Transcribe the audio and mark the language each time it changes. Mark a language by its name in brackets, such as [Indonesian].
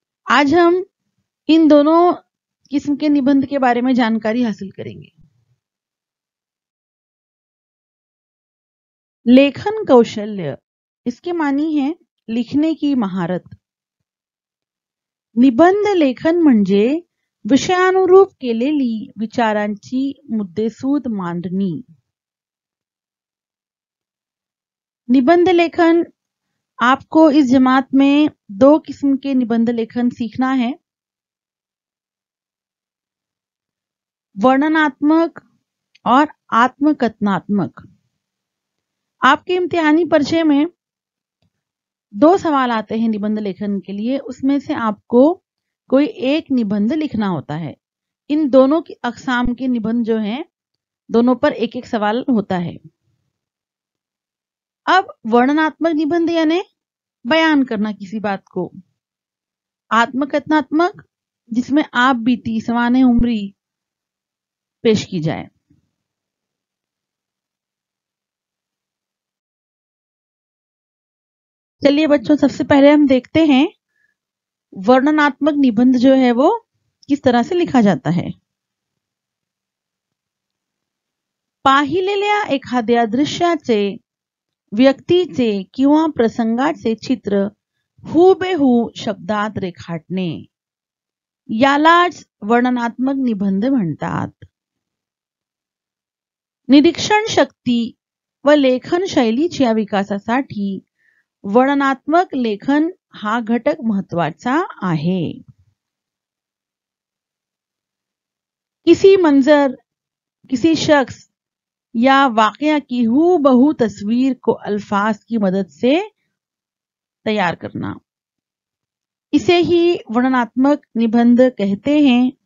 [Hindi] आज हम इन दोनों किस्म के निबंध के बारे में जानकारी हासिल करेंगे। लेखन कौशल्य इसके मानी है लिखने की महारत। [Marathi] निबंध लेखन म्हणजे विषयानुरूप केलेली विचारांची मुद्देसूद मांडणी। [Hindi] निबंध लेखन आपको इस जमात में 2 किस्म के निबंध लेखन सीखना है, वर्णनात्मक और आत्मकथनात्मक। आपके इम्तिहानी पर्चे में 2 सवाल आते हैं निबंध लेखन के लिए, उसमें से आपको कोई एक निबंध लिखना होता है। इन दोनों की अकसाम के निबंध जो हैं, दोनों पर एक एक सवाल होता है। अब वर्णनात्मक निबंध यानी बयान करना किसी बात को, आत्मकथनात्मक जिसमें आप बीती सवाने उम्री पेश की जाए। चलिए बच्चों, सबसे पहले हम देखते हैं वर्णनात्मक निबंध जो है वो किस तरह से लिखा जाता है। [Marathi] पाहिलेल्या एखाद्या दृश्याचे, व्यक्तीचे किंवा प्रसंगाचे चित्र हुबेहू शब्दात रेखाटणे, यालाच वर्णनात्मक निबंध म्हणतात। निरीक्षण शक्ती व लेखन शैलीच्या विकासासाठी वर्णनात्मक लेखन हा घटक महत्त्वाचा आहे। [Hindi] किसी मंजर, किसी शख्स या वाक्या की हूबहू तस्वीर को अल्फाज की मदद से तैयार करना, इसे ही वर्णनात्मक निबंध कहते हैं।